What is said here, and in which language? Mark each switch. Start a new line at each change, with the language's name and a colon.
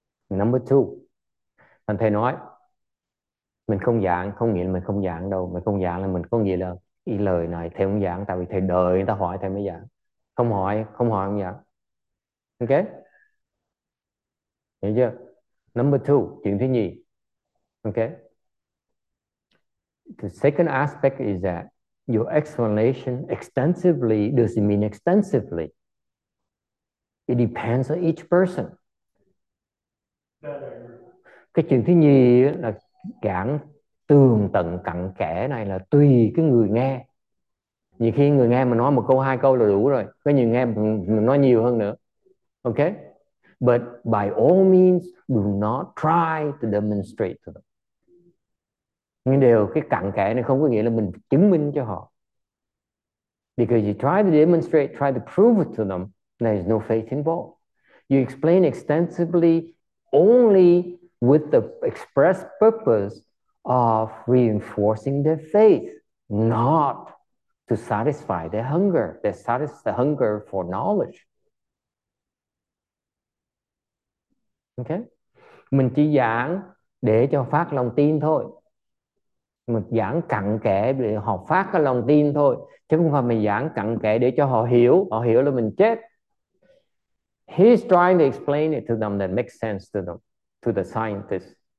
Vietnamese: Number two, thằng thầy nói, mình không giảng, không nghĩa là mình không giảng đâu. Mình không giảng là mình có nghĩa là ý lời này thầy không giảng, tại vì thầy đợi người ta hỏi thầy mới giảng. Không hỏi không giảng. Okay, hiểu chưa? Number two, chuyện thứ nhì.
English: Okay, the second aspect is that your explanation extensively doesn't mean extensively. It depends on each person.
Vietnamese: Cái chuyện thứ nhì là giảng tường tận cặn kẽ này là tùy cái người nghe. Nhiều khi người nghe mà nói một câu hai câu là đủ rồi. Có nhiều nghe nói nhiều hơn nữa. Okay?
English: But by all means, do not try to demonstrate to them.
Vietnamese: Nhưng đều cái cặn kẽ này không có nghĩa là mình chứng minh cho họ.
English: Because you try to demonstrate, try to prove it to them, there is no faith involved. You explain extensively only with the express purpose of reinforcing their faith, not to satisfy their hunger. They satisfy the hunger for knowledge. Okay?
Vietnamese: Mình chỉ giảng để cho phát lòng tin thôi. Mình giảng cặn kẽ để họ phát cái lòng tin thôi. Chứ không phải mình giảng cặn kẽ để cho họ hiểu. Họ hiểu là mình chết.
English: He's trying to explain it to them that makes sense to them, to the scientists.